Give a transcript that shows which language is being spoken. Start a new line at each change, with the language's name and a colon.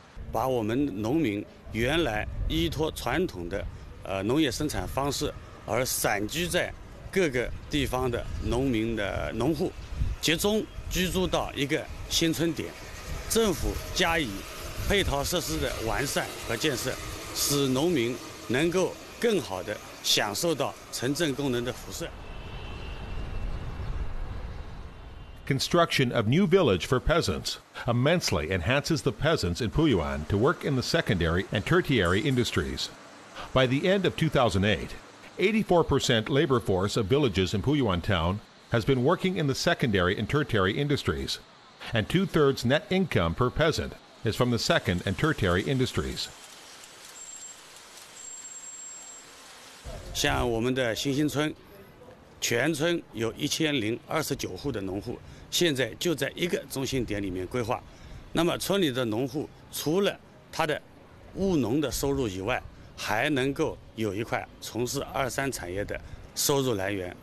Chinese: 把我们农民原来依托传统的农业生产方式而散居在各个地方的农民的农户集中居住到一个新村点，政府加以配套设施的完善和建设，使农民能够更好地享受到城镇功能的辐射。
English: construction of new village for peasants immensely enhances the peasants in Puyuan to work in the secondary and tertiary industries. By the end of 2008, 84% labor force of villages in Puyuan town has been working in the secondary and tertiary industries, and two-thirds net income per peasant is from the second and tertiary industries.
Chinese: 像我们的新兴村，全村有1029户的农户，现在就在一个中心点里面规划。那么村里的农户除了他的务农的收入以外，还能够有一块从事二三产业的收入来源。